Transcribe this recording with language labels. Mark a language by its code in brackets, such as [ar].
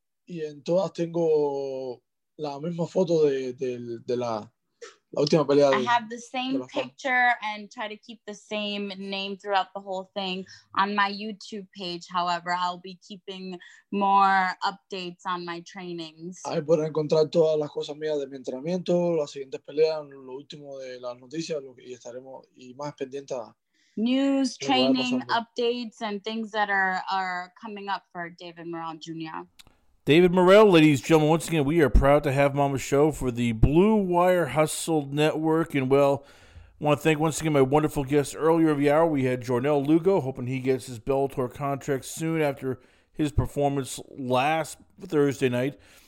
[es] Y en todas tengo la misma foto de la última pelea. [en] I have the same picture and try to keep the same name throughout the whole thing on my YouTube page. However, I'll be keeping more updates on my trainings. [es] Ahí podrán encontrar todas las cosas mías de mi entrenamiento, las siguientes peleas, lo último de las noticias, y estaremos y más pendientes. [en] News, training, updates, and things that are coming up for David Morrell Jr. David Morrell, ladies and gentlemen, once again, we are proud to have him on the show for the Blue Wire Hustle Network. And, well, I want to thank once again my wonderful guest earlier of the hour. We had Jornel Lugo, hoping he gets his Bellator contract soon after his performance last Thursday night.